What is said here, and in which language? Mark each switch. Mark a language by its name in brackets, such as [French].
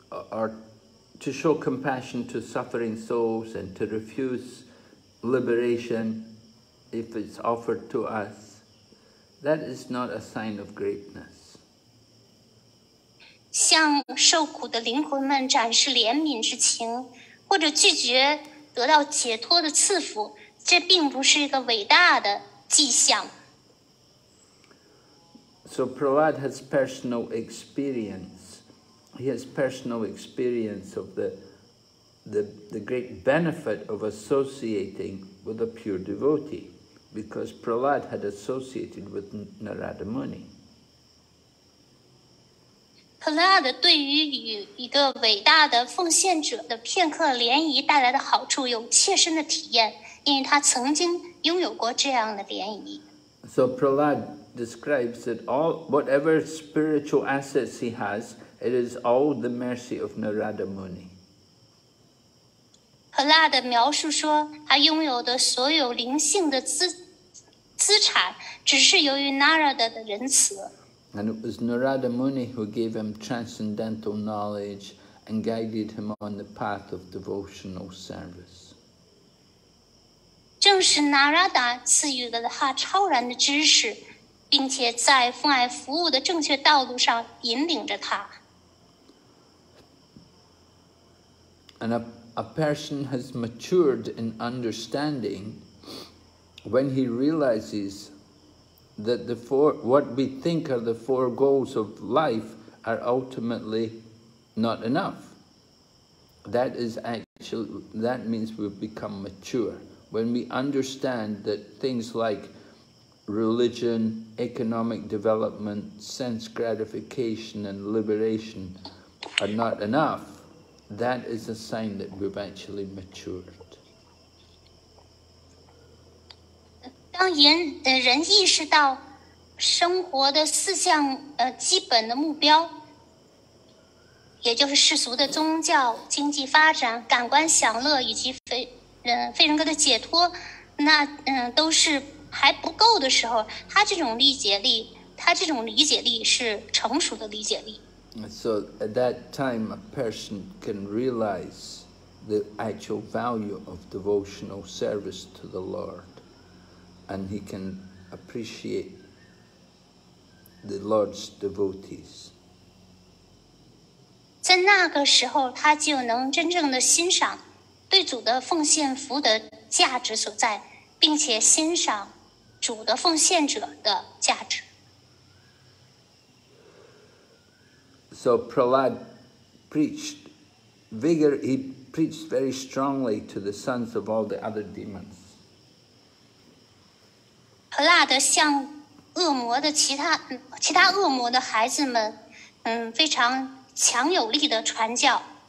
[English] Or to show compassion to suffering souls and to refuse liberation if it's offered to us, that is not a sign of greatness. [Chinese] 向受苦的灵魂们展示怜悯之情，或者拒绝得到解脱的赐福，这并不是一个伟大的迹象。 [English] So Prahlad has personal experience. He has personal experience of the great benefit of associating with a pure devotee, because Prahlad had associated with Narada Muni. [Chinese] Prahlad 对于与一个伟大的奉献者的片刻联谊带来的好处有切身的体验，因为他曾经拥有过这样的联谊。 [English] So Prahlad describes that all whatever spiritual assets he has. It is all the mercy of Narada Muni. [Chinese] Prahlad 描述说，他拥有的所有灵性的资产，只是由于 Narada 的仁慈。 [English] And it was Narada Muni who gave him transcendental knowledge and guided him on the path of devotional service. [Chinese] 正是 Narada 赐予了他超然的知识，并且在奉爱服务的正确道路上引领着他。 [English] And a person has matured in understanding when he realizes that what we think are the four goals of life are ultimately not enough. That means we've become mature. When we understand that things like religion, economic development, sense gratification, and liberation are not enough,That is a sign that we've actually matured. [Chinese] 当人意识到生活的四项基本的目标，也就是世俗的宗教、经济发展、感官享乐以及非人格的解脱，那都是还不够的时候，他这种理解力是成熟的理解力。 [English] So at that time, a person can realize the actual value of devotional service to the Lord, and he can appreciate the Lord's devotees. [Chinese] 在那个时候，他就能真正的欣赏对主的奉献福德价值所在，并且欣赏主的奉献者的价值。 [English] So Prahlad preached very strongly to the sons of all the other demons. [Chinese] Prahlad 向恶魔的其他恶魔的孩子们，非常强有力的传教。